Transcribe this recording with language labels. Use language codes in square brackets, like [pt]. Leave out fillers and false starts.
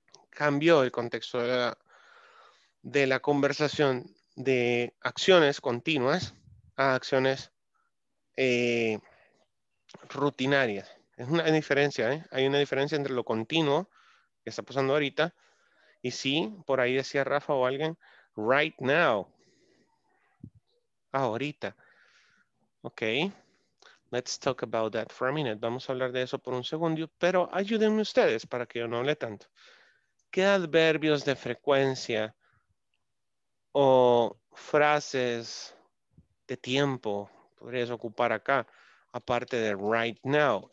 [es] Cambió el contexto de la conversación de acciones continuas a acciones rutinarias. Es una diferencia, ¿eh? Hay una diferencia entre lo continuo que está pasando ahorita y sí, por ahí decía Rafa o alguien, [en] right now, [es] ahorita. [en] Ok, let's talk about that for a minute. [es] Vamos a hablar de eso por un segundo, pero ayúdenme ustedes para que yo no hable tanto. ¿Qué adverbios de frecuencia o frases de tiempo podrías ocupar acá, aparte de [en] right now?